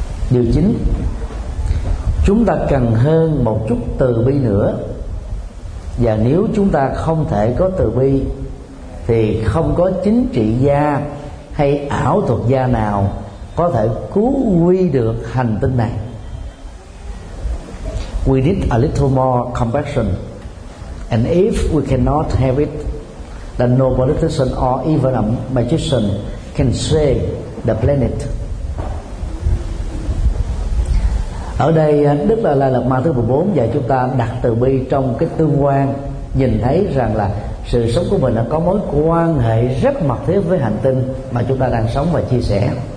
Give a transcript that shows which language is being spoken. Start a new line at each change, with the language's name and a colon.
Vietnamese: Điều chính, chúng ta cần hơn một chút từ bi nữa. Và nếu chúng ta không thể có từ bi thì không có chính trị gia hay ảo thuật gia nào có thể cứu nguy được hành tinh này.
English: We need a little more compassion. And if we cannot have it, then no politician or even a magician can save the planet.
Vietnamese: Ở đây Đức Dalai Lama thứ 14 dạy chúng ta đặt từ bi trong cái tương quan, nhìn thấy rằng là sự sống của mình đã có mối quan hệ rất mật thiết với hành tinh mà chúng ta đang sống và chia sẻ.